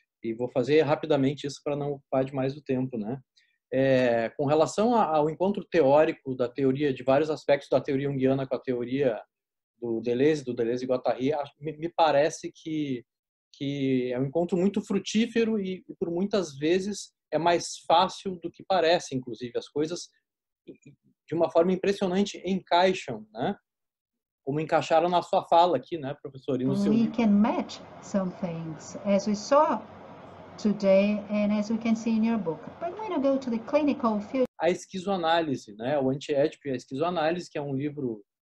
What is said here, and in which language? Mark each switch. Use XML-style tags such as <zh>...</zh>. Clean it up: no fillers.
<pt>E vou fazer rapidamente isso para não ocupar demais o tempo, né? Com relação ao encontro teórico da teoria, de vários aspectos da teoria junguiana com a teoria do Deleuze e Guattari, me parece que é um encontro muito frutífero e por muitas vezes é mais fácil do que parece, inclusive, as coisas de uma forma impressionante encaixam, né? Como encaixaram na sua fala aqui, né, professor? E no seu...</pt> <en>We can match some things, as we saw today and as we can see in your book. But when you go to the clinical field...</en> <pt>A esquizoanálise, né, o Anti-Édipo e a esquizoanálise, que é um livro...</pt>